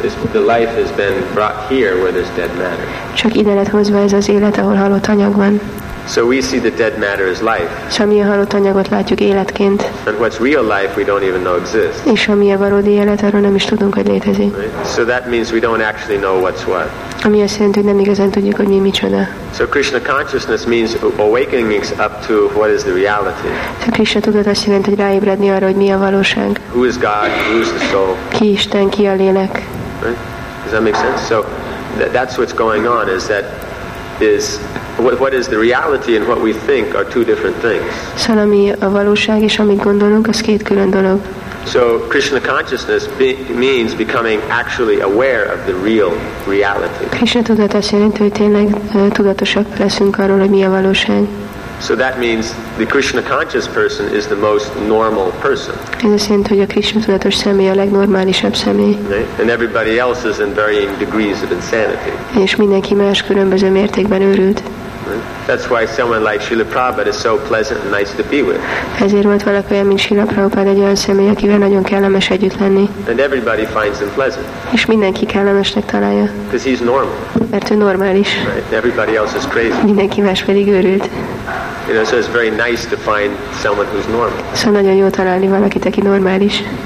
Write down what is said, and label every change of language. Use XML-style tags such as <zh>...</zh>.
<en>The life has been brought here where there's dead matter.</en> <hu>Csak ide lett hozva ez az élet, ahol halott anyag van.</hu> <en>So we see the dead matter as life.</en> <hu>És ami a halott anyagot látjuk életként.</hu> <en>And what's real life we don't even know exists.</en> <hu>És ami a valódi élet, arról nem is tudunk, hogy létezik.</hu> <en>Right? So that means we don't actually know what's what.</en> <hu>Ami azt jelenti, hogy nem igazán tudjuk, hogy mi micsoda.</hu> <en>So Krishna consciousness means awakening up to what is the reality.</en> <hu>A Krishna tudat azt jelenti, hogy ráébredni arra, hogy mi a valóság.</hu> <en>Who is God? Who is the soul?</en> <hu>Ki Isten, ki a lélek?</hu> <en>Right? Does that make sense? So that's what's going on, is that is what is the reality and what we think are two different things.</en> <hu>Szóval ami a valóság és amit gondolunk, az két külön dolog.</hu> <en>So Krishna consciousness means becoming actually aware of the real reality.</en> <hu>Krishna tudat azt jelenti, hogy tényleg tudatosak leszünk arról, hogy mi a valóság.</hu> <en>So that means the Krishna conscious person is the most normal person.</en> <hu>Ez azt jelenti, hogy a Krishna tudatos személy a legnormálisabb személy.</hu> <en>Right? And everybody else is in varying degrees of insanity.</en> <hu>És mindenki más különböző mértékben őrült.</hu> <en>That's why someone like Srila Prabhupada is so pleasant and nice to be with.</en> <hu>Ezért volt valaki olyan, mint Srila Prabhupada, egy olyan személy, akivel nagyon kellemes együtt lenni.</hu> <en>And everybody finds him pleasant.</en> <hu>És mindenki kellemesnek találja.</hu> <en>Because he's normal.</en> <hu>Mert ő normális.</hu> <en>Right? Everybody else is crazy.</en> <hu>Mindenki más pedig őrült.</hu> <en>You know, so it's very nice to find someone who's normal.</en> <hu>Szóval nagyon jó találni valakit, aki normális.</hu>